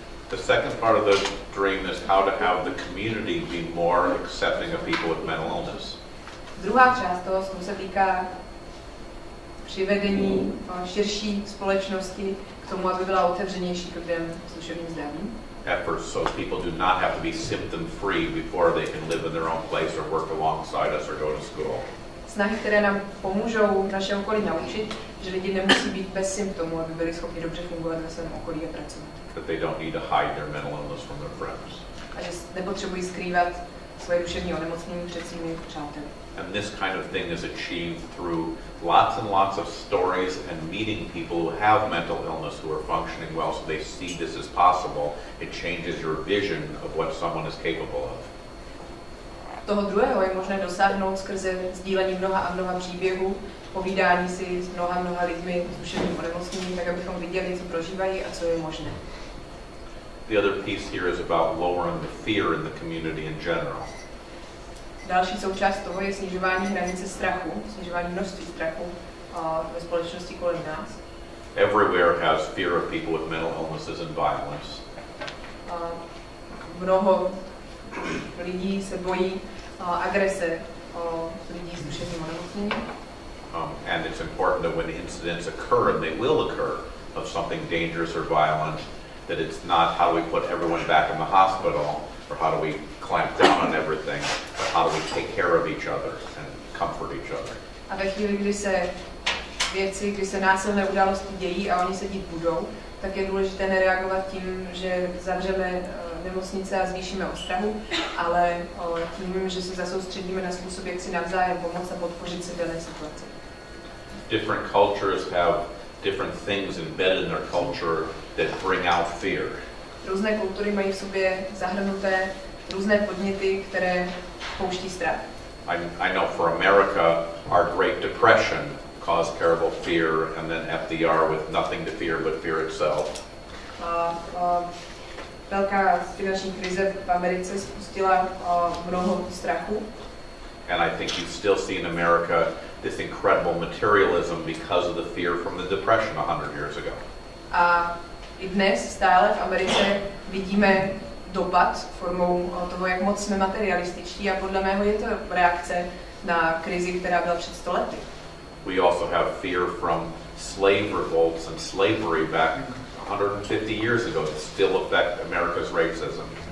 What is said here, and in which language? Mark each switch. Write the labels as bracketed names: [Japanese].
[English] The second part of the dream is how to have the community be more accepting of people with mental illness. [Czech] Druhá část toho se týká přivedení širší společnosti k tomu, aby byla otevřenější k lidem s duševním zdravím. [English] Efforts so people do not have to be symptom-free before they can live in their own place or work alongside us or go to school. [Czech] Snahy, které nám pomůžou naše okolí naučit, že lidi nemusí být bez symptomů, aby byli schopni dobře fungovat ve svém okolí a pracovat. [English] That they don't need to hide their mental illness from their friends. [Czech] A že nepotřebují skrývat svoje duševní onemocnění před svými přáteli. [English] And this kind of thing is achieved through lots and lots of stories and meeting people who have mental illness who are functioning well, so they see this as possible. It changes your vision of what someone is capable of. [Czech] Toho druhého je možné dosáhnout skrze sdílení mnoha a mnoha příběhů, povídání si s mnoha a mnoha lidmi s duševním onemocněním, tak abychom viděli, co prožívají a co je možné. [English] The other piece here is about lowering the fear in the community in general. [Czech] Další součást toho je snižování hranice strachu, snižování množství strachu ve společnosti kolem nás. [English] Everywhere has fear of people with mental illnesses and violence. [Czech] Mnoho lidí se bojí agrese lidí s duševním onemocněním. [English] And it's important that when incidents occur, and they will occur, of something dangerous or violent, that it's not how do we put everyone back in the hospital, or how do we clamp down on everything, but how do we take care of each other and comfort each other. [Czech] A ve chvíli, kdy se věci, kdy se násilné události dějí a oni se dít budou, tak je důležité nereagovat tím, že zavřeme nemocnice a zvýšíme ostrahu, ale tím, že se zasoustředíme na způsob, jak si navzájem pomoct a podpořit se v dané situaci. [English] Different cultures have different things embedded in their culture that bring out fear. [Czech] Různé kultury mají v sobě zahrnuté různé podněty, které pouští strach. [English] I know for America, our Great Depression caused terrible fear, and then FDR with nothing to fear but fear itself. [Czech] Velká finanční krize v Americe spustila mnoho strachu. [English] And I think you still see in America this incredible materialism because of the fear from the Depression 100 years ago. [Czech] A i dnes stále v Americe vidíme dopad formou toho, jak moc jsme materialističtí, a podle mého je to reakce na krizi, která byla před 100 lety. [English] We also have fear from slave revolts and slavery back 150 years ago that still affect America's racism.